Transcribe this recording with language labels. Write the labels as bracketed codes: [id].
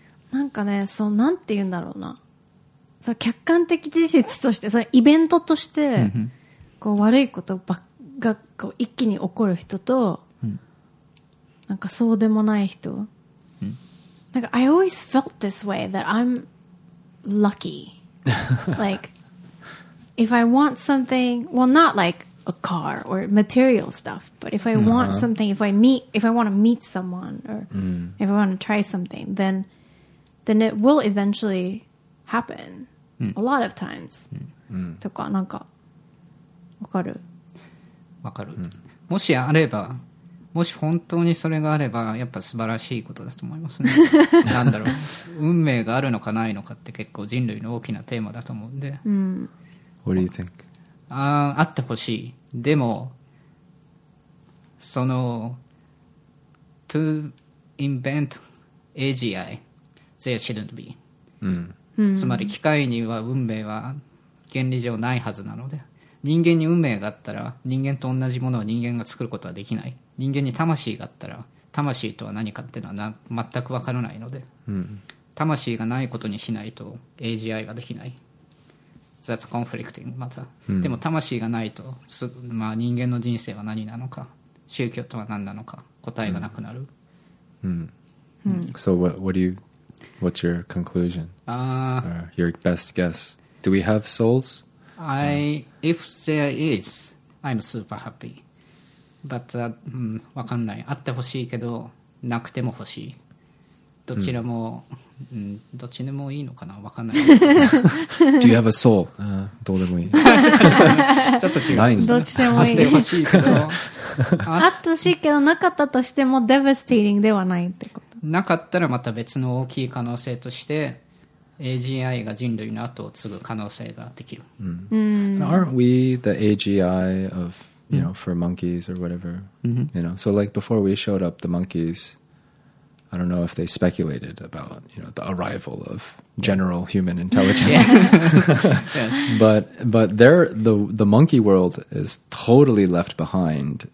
[ja] なんかね、そのなんて言うんだろうな、その客観的事実として、そのイベントとして、こう悪いことばがこう一気に起こる人と、なんかそうでもない人、なんか [en] I always felt this way that I'm lucky, like. If I want something, well, not like a car or material stuff, but if I want something, if I want to meet someone or if I want to try something, then it will eventually happen a lot of times. [ja] とかなんか、わかる。わかる。もしあれば、もし本当にそれがあれば、やっぱ素晴らしいことだと思いますね。なんだろう。運命があるのかないのかって結構人類の大きなテーマだと思うんで。 [en] What do you think? [ja] あってほしい。でも、その、 [en] to invent AGI, there shouldn't be. [ja] つまり、機械には運命は原理上ないはずなので、人間に運命があったら、人間と同じものを人間が作ることはできない。人間に魂があったら、魂とは何かっていうのは全く分からないので、うん、魂がないことにしないと AGI ができない。 [en] That's conflicting [ja] また、うん、でも魂がないと、まあ、人間の人生は何なのか、宗教とは何なのか、答えがなくなる。 [en] うん、うん、So what's your conclusion? Your best guess? Do we have souls? If there is, I'm super happy. [ja] But わかんない。あってほしいけどなくてもほしい。どちらも、どっちでもいいのかな、わかんない。 [en] Do you have a soul? [ja] どうでもいい。ちょっと違う。ないんだ。どっちでもいい。あってほしいけど、あってほしいけどなかったとしてもdevastatingではないってこと。なかったらまた別の大きい可能性として AGI が人類の後を継ぐ可能性ができる。 Mm. Mm. [en] Aren't we the AGI of, you know, for monkeys or whatever?、 Mm-hmm. You know, so like before we showed up, the monkeys, I don't know if they speculated about, you know, the arrival of general human intelligence. Yeah. but they're, the monkey world is totally left behind.